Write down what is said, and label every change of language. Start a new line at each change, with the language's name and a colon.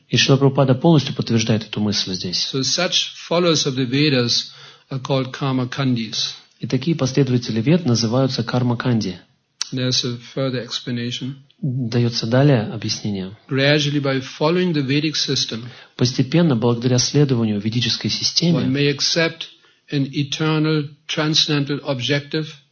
Russian: И Шрила Прабхупада полностью подтверждает эту мысль здесь.
English: So such followers of the Vedas are called karma kandis.
Russian: И такие последователи Вед называются карма канди.
English: There's a further explanation.
Russian: Дается далее объяснение.
English: Gradually by following the Vedic system.
Russian: Постепенно, благодаря следованию ведической системе.
English: One may accept an eternal transcendental objective.